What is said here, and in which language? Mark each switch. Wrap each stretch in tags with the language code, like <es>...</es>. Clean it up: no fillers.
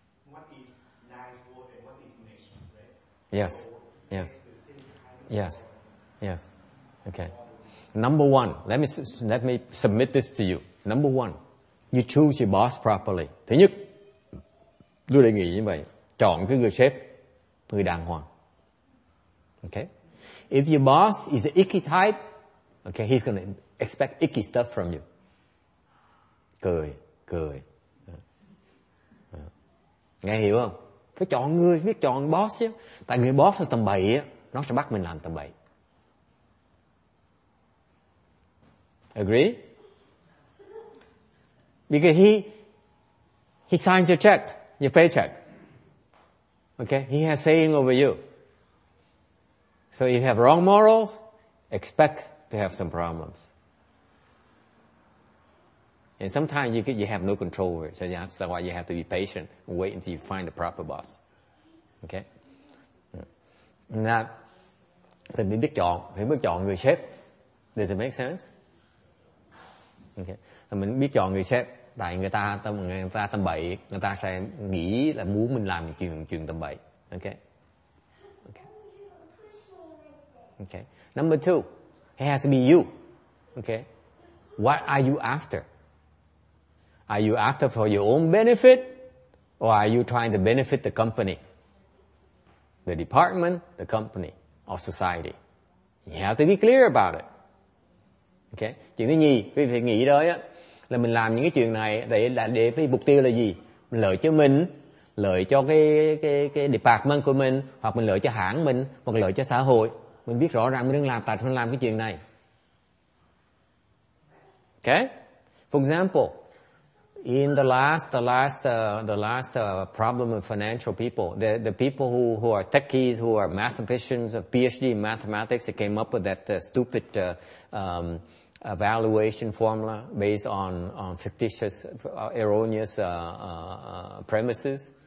<en>What is nice word and what is nice, right? Yes. So yes. Yes. Yes. Okay. Number one, let me submit this to you. Number one, you choose your boss properly.</en> <vi>Thứ nhất, tôi đề nghị như vậy, chọn cái người sếp, người đàng hoàng.</vi> <en>Okay. If your boss is an icky type, okay, he's gonna expect icky stuff from you.</en> <vi>Cười. Nghe hiểu không? Phải chọn người, biết chọn boss chứ. Tại người boss là tầm bậy á, nó sẽ bắt mình làm tầm bậy.</vi> <en>Agree? Because he signs your check, your paycheck. Okay? He has saying over you. So if you have wrong morals, expect to have some problems. And sometimes you have no control over it. So that's why you have to be patient and wait until you find the proper boss. Okay?</en> <vi>Now, mình biết chọn, phải biết chọn người sếp.</vi> <en>Does it make sense? Okay.</en> <vi>Mình biết chọn người sếp, tại người ta tầm bậy, người ta sẽ nghĩ là muốn mình làm chuyện tầm bậy.</vi> <en>Okay? Okay. Okay. Number two, it has to be you. Okay? What are you after? Are you after for your own benefit, or are you trying to benefit the company, the department, the company, or society? You have to be clear about it. Okay.</en> <vi>Chuyện thứ nhì, quý vị nghĩ đó á, là mình làm những cái chuyện này để cái mục tiêu là gì? Lợi cho mình, lợi cho cái department của mình, hoặc mình lợi cho hãng mình, hoặc lợi cho xã hội. Mình biết rõ ràng mình đang làm tại sao mình làm cái chuyện này.</vi> <en>Okay. For example. In the last problem of financial people, the people who are techies, who are mathematicians, a PhD in mathematics, they came up with that stupid evaluation formula based on fictitious, erroneous premises.</en>